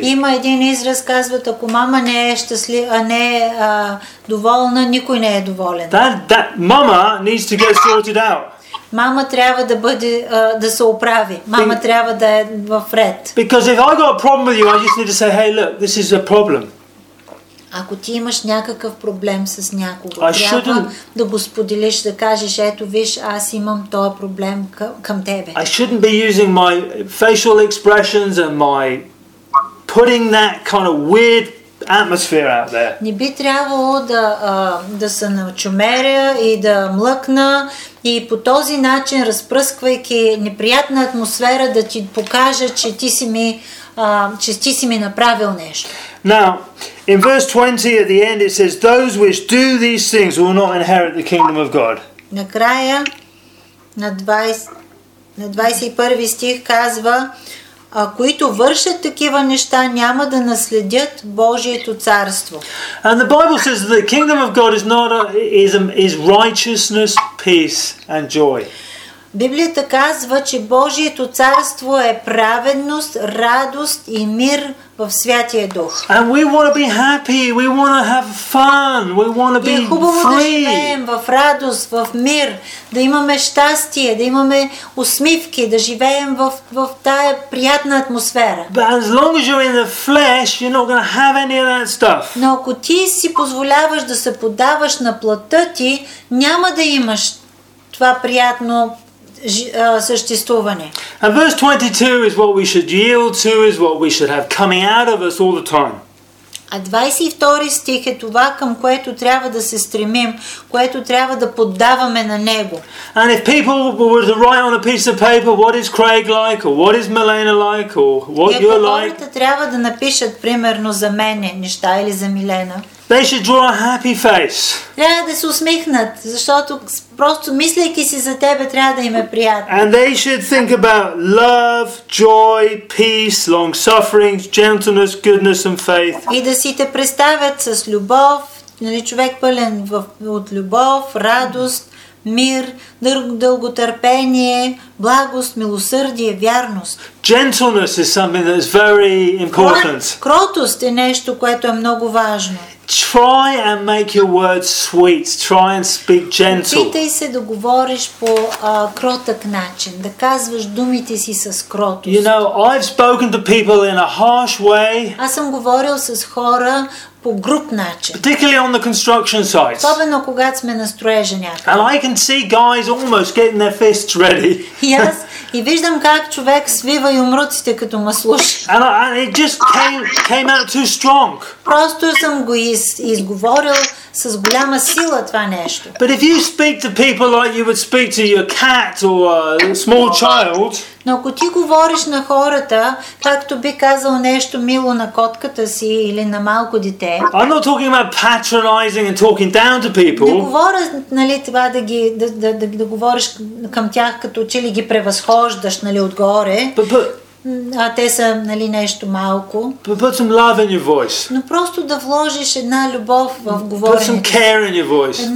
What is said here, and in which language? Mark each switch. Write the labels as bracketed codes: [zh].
[bg] Има един израз, казват, ако мама не е щастлива, не е доволна, никой не е доволен. [en] That mama needs to get sorted out. [bg] Мама трябва да бъде да се оправи. Мама трябва да е в ред. [en] Because if I got a problem with you, I just need to say, hey, look, this is a problem. [bg] Ако ти имаш някакъв проблем с някого, трябва да го споделиш, да кажеш, ето виж, аз имам този проблем към тебе. [en] I shouldn't be using my facial expressions and my putting that kind of weird atmosphere out there. [bg] Не би трябвало да се начумеря и да млъкна и по този начин, разпръсквайки неприятна атмосфера, да ти покажа, че ти си ми направил нещо. [en] Now, in verse 20 at the end it says those which do these things will not inherit the kingdom of God. [bg] Накрая на 21 стих казва: а които вършат такива неща, няма да наследят Божието царство. [en] And the Bible says that the kingdom of God is not is righteousness, peace and joy. [bg] Библията казва, че Божието царство е праведност, радост и мир в Святия Дух. [en] And we want to be happy, we want to have fun, we want to be free. [bg] И е хубаво да живеем в радост, в мир, да имаме щастие, да имаме усмивки, да живеем в тая приятна атмосфера. [en] But as long as you're in the flesh, you're not going to have any of that stuff. [bg] Но ако ти си позволяваш да се поддаваш на плътта ти, няма да имаш това приятно съществуване. [en] And verse 22 is what we should yield to, is what we should have coming out of us all the time. [bg] А 22 стих е това, към което трябва да се стремим, което трябва да поддаваме на него. [en] And if people were to write on a piece of paper what is Craig like, or what is Milena like, or what you're like. [bg] Хората трябва да напишат примерно за мене неща или за Милена. [en] They should draw a happy face. [bg] Трябва да се усмихнат, защото просто мислейки си за тебе трябва да им е приятно. [en] And they should think about love, joy, peace, long suffering, gentleness, goodness and faith. [bg] И да си те представят с любов, нали, човек пълен от любов, радост, мир, дълготърпение, благост, милосърдие, вярност. [en] Gentleness is something that is very important. [bg] Кротост е нещо, което е много важно. [en] Try and make your words sweet. Try and speak gentle. [bg] Опитай се да говориш по кротък начин, да казваш думите си с кротост. [en] You know, I've spoken to people in a harsh way. [bg] Аз съм говорил с хора по груб начин. [en] Particularly on the construction sites. [bg] Особено когато сме на строежа някакъв. [en] And I can see guys almost getting their fists ready. Yes. [bg] И виждам как човек свива юмруците като маслуш. [en] And it just came out too strong. [bg] Просто съм го изговорил с голяма сила това нещо. [en] But if you speak to people like you would speak to your cat or a small child. [bg] Но ако ти говориш на хората, както би казал нещо мило на котката си или на малко дете. I'm not talking about patronizing and talking down to people. Не говоря, нали, това да ги да говориш към тях като че ли ги превъзхождаш, нали, отгоре. А те са, нали, нещо малко. [en] Put some love in your voice. [bg] Но просто да вложиш една любов в говоренето. [en] Put some care in your voice.